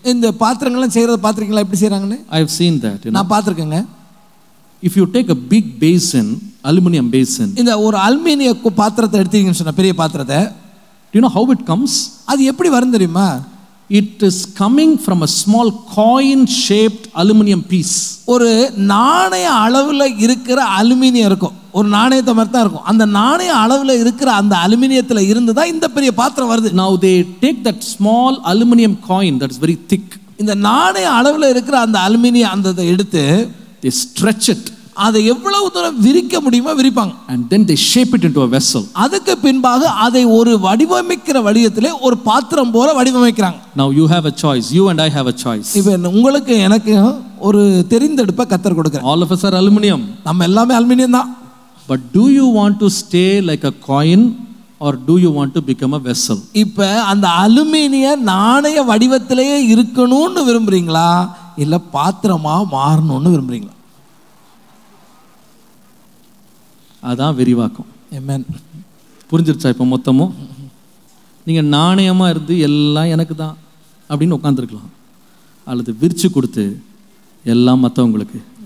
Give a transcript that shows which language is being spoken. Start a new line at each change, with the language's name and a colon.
Tamil: இந்த பாத்திரங்களை செய்றது பாத்திரங்களை எப்படி செய்றாங்கன்னு?
English: I have seen that.
Tamil: நான் பாத்திருக்கேங்க.
English: If you take a big basin, aluminium basin.
Tamil: இந்த ஒரு அலுமினிய பாத்திரத்தை எடுத்தீங்கன்னு சொன்னா, பெரிய பாத்திரத்தை.
English: Do you know how it comes?
Tamil: அது எப்படி வரும் தெரியுமா?
English: It is coming from a small coin shaped aluminium piece.
Tamil: ஒரு நாணய அளவுல இருக்கிற அலுமினியம் இருக்கும், ஒரு நாணயத்தை மாதிரி தான் இருக்கும். அந்த நாணய அளவுல இருக்கிற அந்த அலுமினியத்துல இருந்து தான் இந்த பெரிய பாத்திரம் வருது.
English: Now they take that small aluminium coin that is very thick.
Tamil: இந்த நாணய அளவுல இருக்கிற அந்த அலுமினியம் அந்த எடுத்து
English: they stretch it.
Tamil: அதை எவ்வளவு தூரம் விரிக்க முடியுமோ விரிப்பாங்க.
English: And then they shape it into a vessel.
Tamil: அதுக்கு பின்பாக அதை ஒரு வடிவமைக்கிற வழியத்திலே ஒரு பாத்திரம் போல வடிவமைக்கிறாங்க.
English: Now you have a choice. You and I have a choice.
Tamil: இப்போ உங்களுக்கு எனக்கு ஒரு தெரிந்தெடுப்ப கத்தர் கொடுக்கிறேன்.
English: All of us are aluminium.
Tamil: நம்ம எல்லாமே அலுமினியம் தான்.
English: But do you want to stay like a coin or do you want to become a vessel?
Tamil: இப்போ அந்த அலுமினிய நாணய வடிவத்திலேயே இருக்கணும்னு விரும்பறீங்களா இல்ல பாத்திரமா மாறணும்னு விரும்பறீங்களா? அதான் விரிவாக்கம்.
English: Amen.
Tamil: புரிஞ்சிருச்சா? இப்ப மொத்தமும் நீங்க நாணயமா இருந்து எல்லாம் எனக்கு தான் அப்படின்னு உட்காந்துருக்கலாம், அல்லது விரிச்சு கொடுத்து எல்லாம் மற்றவங்களுக்கு.